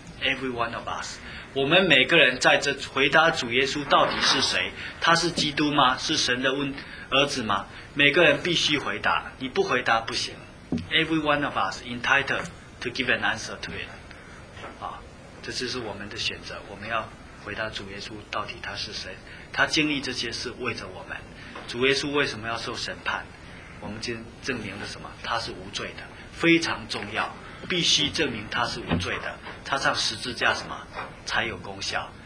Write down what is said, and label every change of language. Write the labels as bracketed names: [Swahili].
[English] Every one of us， [Chinese] 我们每个人在这回答主耶稣到底是谁，他是基督吗？是神的儿子吗？每个人必须回答，你不回答不行。 [English] Every one of us entitled to give an answer to it。 [Chinese] 这就是我们的选择，我们要回答主耶稣到底他是谁。他经历这些事为着我们。主耶稣为什么要受审判？我们今天证明了什么？他是无罪的，非常重要，必须证明他是无罪的，他上十字架什么才有功效。